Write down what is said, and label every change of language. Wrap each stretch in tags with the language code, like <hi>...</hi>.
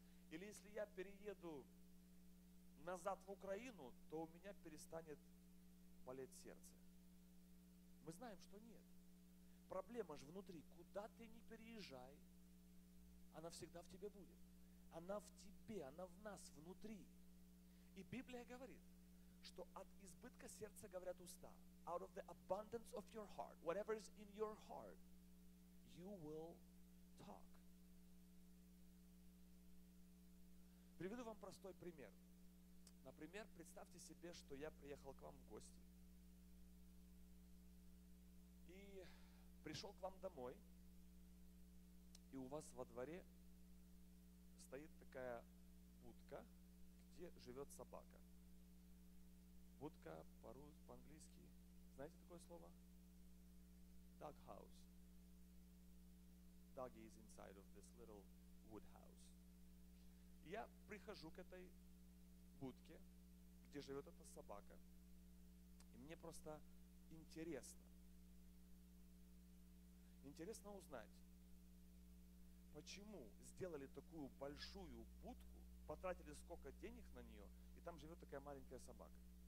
<ru>Или если я перееду назад в Украину, то у меня перестанет болеть сердце. Мы знаем, что нет. Проблема же внутри. Куда ты ни переезжай, она всегда в тебе будет. она в тебе, она в нас, внутри. И Библия говорит, что от избытка сердца говорят уста.</ru> <en>Out of the abundance of your heart, whatever is in your heart, you will talk.</en> <ru>Приведу вам простой пример. Например, представьте себе, что я приехал к вам в гости. И пришел к вам домой, и у вас во дворе стоит такая будка, где живет собака. Будка по-русски, по-английски. Знаете такое слово?</ru> <en>Dog house. Doggy is inside of this little wood house.</en> <ru>Я прихожу к этой будке, где живет эта собака. И мне просто интересно. Интересно узнать, почему сделали такую большую будку, потратили сколько денег на нее, и там живет такая маленькая собака.</ru>